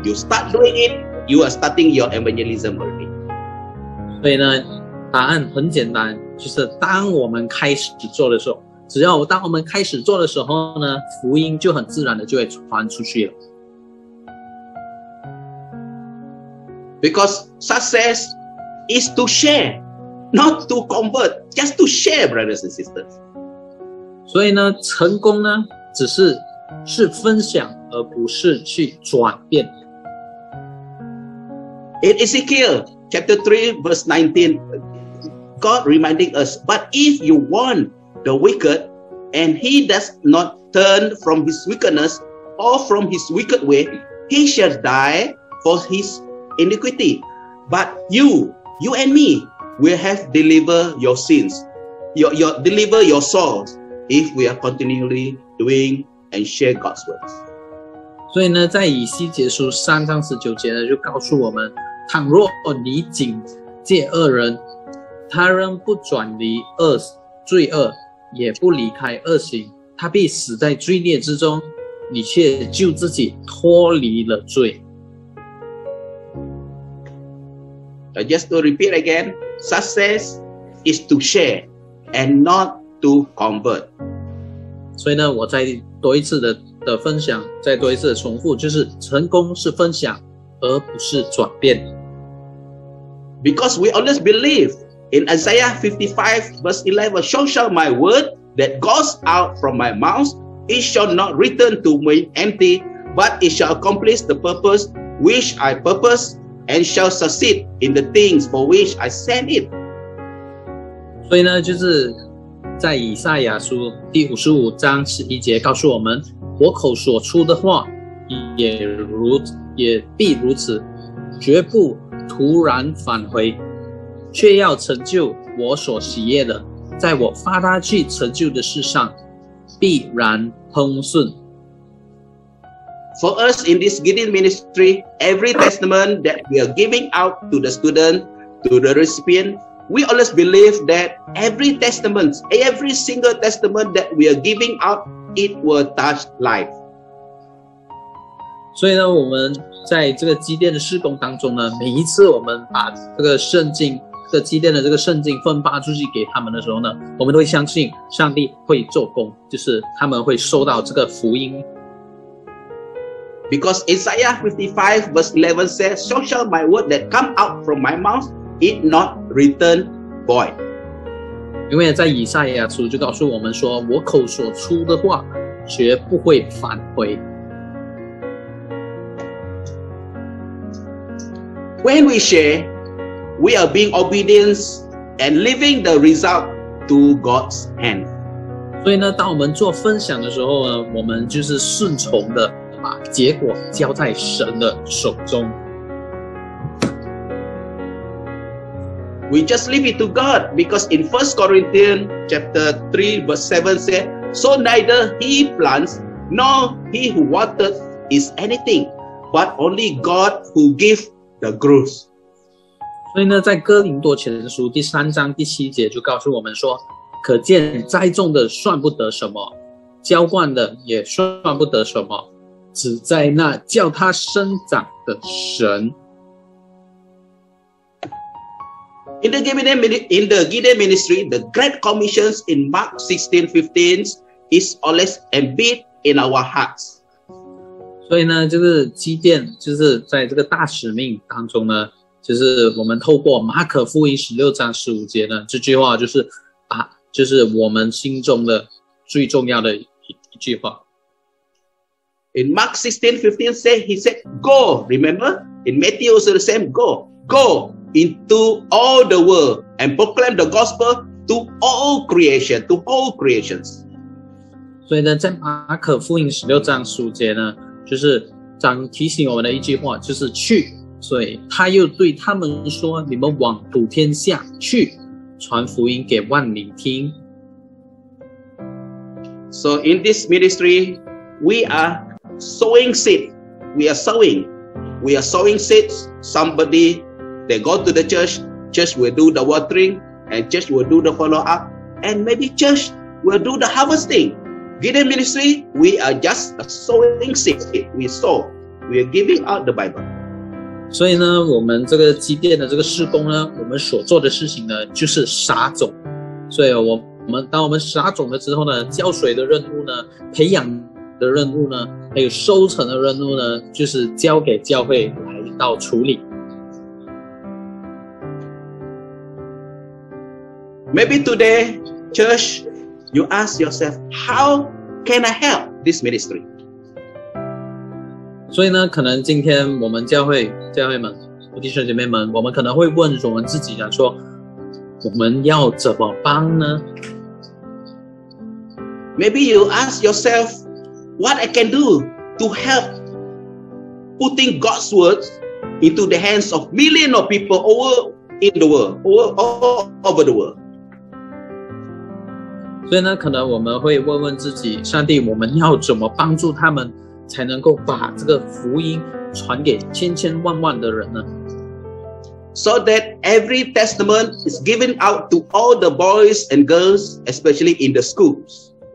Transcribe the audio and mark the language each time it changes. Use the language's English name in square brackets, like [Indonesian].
[English] you start doing it, you are starting your evangelism already. [Chinese] 所以呢，答案很简单，就是当我们开始做的时候，只要当我们开始做的时候呢，福音就很自然的就会传出去了。 [English] Because success is to share, not to convert, just to share, brothers and sisters. [Chinese] 所以呢，成功呢，只是是分享，而不是去转变。 [English] In Ezekiel chapter 3 verse 19, God reminding us, but if you warn the wicked, and he does not turn from his wickedness or from his wicked way, he shall die for his iniquity, but you and me will have deliver your sins, your deliver your souls if we are continually doing and share God's words. [Chinese] 所以呢，在以西结书三章十九节呢，就告诉我们，倘若你警戒恶人，他仍不转离恶罪恶，也不离开恶行，他必死在罪孽之中，你却救自己脱离了罪。 [English] Just to repeat again, success is to share and not to convert. [Chinese] 所以呢，我再多一次 的分享，再多一次的重复，就是成功是分享，而不是转变。 [English] Because we always believe in Isaiah 55 verse 11, so shall my word that goes out from my mouth, it shall not return to me empty, but it shall accomplish the purpose which I purpose. And shall succeed in the things for which I send it. [Chinese] 所以呢，就是在以赛亚书第五十五章十一节告诉我们，我口所出的话也必如此，绝不突然返回，却要成就我所喜悦的，在我发他去成就的事上，必然亨顺。 [English] For us in this Gideon ministry, every testament that we are giving out to the student, to the recipient, we always believe that every single testament that we are giving out, it will touch life. [Chinese] 所以呢，我们在这个基甸的事工当中呢，每一次我们把这个圣经，这基甸的这个圣经分发出去给他们的时候呢，我们都会相信上帝会做工，就是他们会收到这个福音。 [English] Because Isaiah 55 verse 11 says, So shall my word that come out from my mouth, it not return void. [Chinese] 因为在以赛亚书就告诉我们说，我口所出的话绝不会返回。 [English] When we share, we are being obedient and leaving the result to God's hand. [Chinese] 所以呢，当我们做分享的时候呢，我们就是顺从的，把结果交在神的手中。 [English] We just leave it to God, because in 1 Corinthians chapter 3 verse 7 says, So neither he plants nor he who waters is anything, but only God who gives the growth. [Chinese] 所以呢，在哥林多前书第三章第七节就告诉我们说，可见栽种的算不得什么，浇灌的也算不得什么，只在那叫他生长的神。 [English] In the Gideon ministry, the Great Commission in Mark 16:15 is always embedded in our hearts. [Chinese] 所以呢，就是基甸，就是在这个大使命当中呢，就是我们透过马可福音16章15节呢，这句话就是啊，就是我们心中的最重要的一句话。 [English] In Mark 16:15, he said, "Go." Remember, in Matthew also the same. Go. Into all the world and proclaim the gospel to all creation, to all creations. [Chinese] 所以呢，在马可福音十六章十五节呢，就是讲提醒我们的一句话，就是去。所以他又对他们说：“你们往普天下去，传福音给万民听。” [English] So in this ministry, we are sowing seed. We are sowing seeds. Somebody. They go to the church. Church will do the watering, and church will do the follow up, and maybe church will do the harvesting. Gideon ministry, we are just a sowing seed. We sow. We are giving out the Bible. [Chinese] 所以呢，我们这个基甸的这个事工呢，我们所做的事情呢，就是撒种。所以我们当我们撒种了之后呢，浇水的任务呢，培养的任务呢，还有收成的任务呢，就是交给教会来到处理。 [English] Maybe today, church, you ask yourself, how can I help this ministry? [Chinese] 所以呢，可能今天我们教会们、弟兄姐妹们，我们可能会问我们自己啊，说我们要怎么帮呢？ [English] Maybe you ask yourself, what I can do to help putting God's words into the hands of millions of people all over the world. [Chinese] 所以呢，可能我们会问问自己，上帝，我们要怎么帮助他们，才能够把这个福音传给千千万万的人呢？ [English] So that every testament is given out to all the boys and girls, especially in the schools.